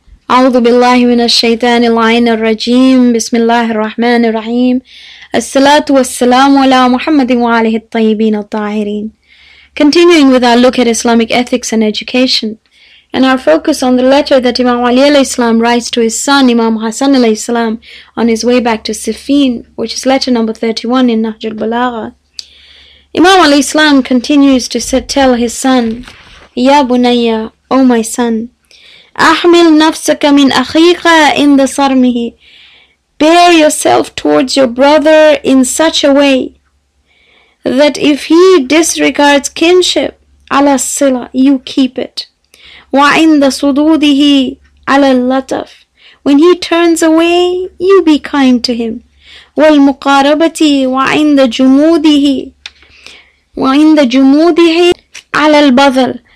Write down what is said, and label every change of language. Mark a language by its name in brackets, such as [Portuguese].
[Arabic] أعوذ بالله من الشيطان اللعين الرجيم. بسم الله الرحمن الرحيم. الصلاة والسلام على محمد وآله الطيبين الطاهرين. [English] Continuing with our look at Islamic ethics and education, and our focus on the letter that Imam Ali alayhi salam writes to his son Imam Hassan alayhi salam on his way back to Siffin, which is letter number 31 in Nahjul Balagha. Imam alayhi salam continues to tell his son, Ya Bunayya, O my son, [Arabic] أحمل نفسك من أخيك إن صرمه. [English] Bear yourself towards your brother in such a way that if he disregards kinship, [Arabic] على الصلة, [English] you keep it. [Arabic] وعند صدوده على اللطف, [English] when he turns away, you be kind to him. [Arabic] والمقاربة وعند جموده, وعند جموده على البذل.